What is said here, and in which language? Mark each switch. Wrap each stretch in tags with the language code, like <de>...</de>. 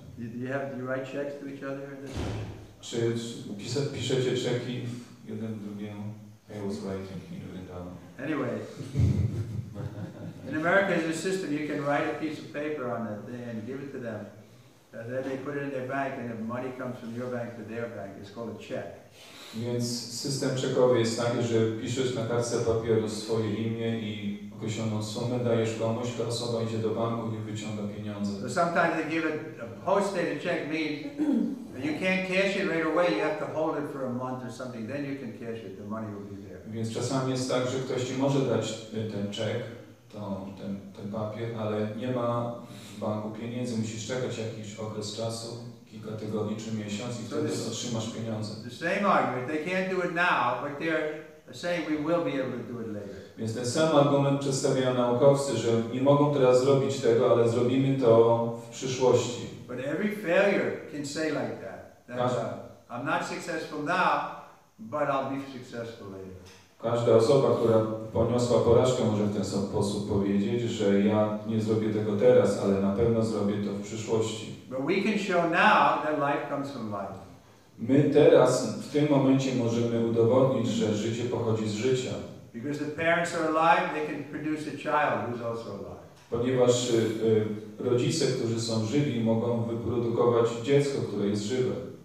<en>Do you write checks to each other?</en> <pl>Czy piszecie czeki w jednym drugim?</pl> <en>I was writing in the down. Anyway, in America there's a system you can write a piece of paper on it and give it to them. Then they put it in their bank and the money comes from your bank to their bank. It's called a check.</en> <pl>Więc system czekowy jest taki, że piszesz na kartce papieru swoje imię i określoną sumę, dajesz komuś, ta osoba idzie do banku i wyciąga pieniądze.</pl> <en>So sometimes they give it a postdated check means you can't cash it right away, you have to hold it for a month or something, then you can cash it, the money will be there.</en> <pl>Więc czasami jest tak, że ktoś ci może dać ten czek, ten papier, ale nie ma w banku pieniędzy, musisz czekać jakiś okres czasu, kilka tygodni czy miesiąc i wtedy otrzymasz pieniądze.</pl> <en>The same argument, they can't do it now, but they're saying we will be able to do it later.</en> <pl>Więc ten sam argument przedstawiają naukowcy, że nie mogą teraz zrobić tego, ale zrobimy to w przyszłości.</pl> <en>But every failure can say like that. I'm not successful now, but I'll be successful later.</en> <pl>Każda osoba, która poniosła porażkę, może w ten sposób powiedzieć, że ja nie zrobię tego teraz, ale na pewno zrobię to w przyszłości.</pl> <en>But we can show now that life comes from life.</en> <pl>My teraz, w tym momencie możemy udowodnić, że życie pochodzi z życia.</pl> <en>Because the parents are alive, they can produce a child who's also alive.</en> <pl>Ponieważ rodzice, którzy są żywi, mogą wyprodukować dziecko, które jest żywe.</pl>